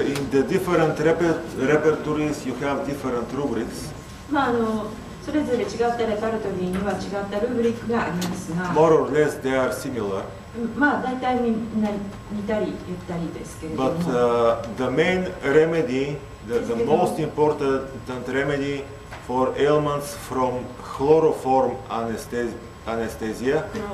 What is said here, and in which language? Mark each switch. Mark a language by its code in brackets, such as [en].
[en] The different repertories you have different rubrics. [ja] それぞれ違ったレパートリーには違ったルブリックがありますが。 [en] More or less they are similar. [ja] まあ大体みんな似たり言ったりですけれども。 [en] But the main remedy, the most important remedy for ailments from chloroform anesthesia.